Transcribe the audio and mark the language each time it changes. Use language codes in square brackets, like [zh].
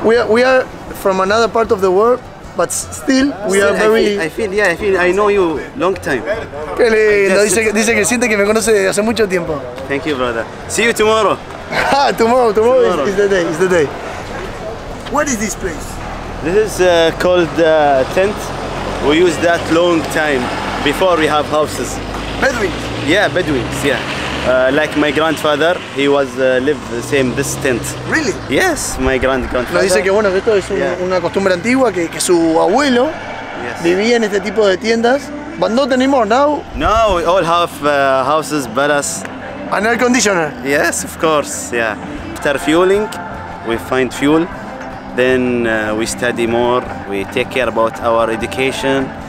[en] We are from another part of the world, but still we are very... I feel I know you long time. [es] Qué lindo. Dice que siente que me conoce hace mucho tiempo. [en] Thank you, brother. See you tomorrow. tomorrow is the day. Is the day. What is this place? This is called tent. We use that long time before we have houses. Bedouins. Yeah, Bedouins. Yeah, like my grandfather, he was lived the same this tent. Really? Yes, my grandfather. [es] Nos dice que bueno, que esto es una costumbre antigua que su abuelo vivía en este tipo de tiendas. [en] But not anymore now. No, we all have houses, but us. An air conditioner? Yes, of course, yeah. After fueling, we find fuel. Then we study more, we take care about our education.